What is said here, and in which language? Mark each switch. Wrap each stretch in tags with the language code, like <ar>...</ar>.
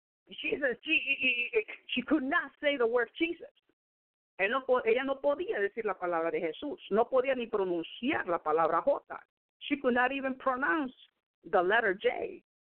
<en>Jesus, she could not say the word Jesus.</en> <es>Ella no podía decir la palabra de Jesús. No podía ni pronunciar la palabra J.</es> <en>She could not even pronounce the letter J.</en>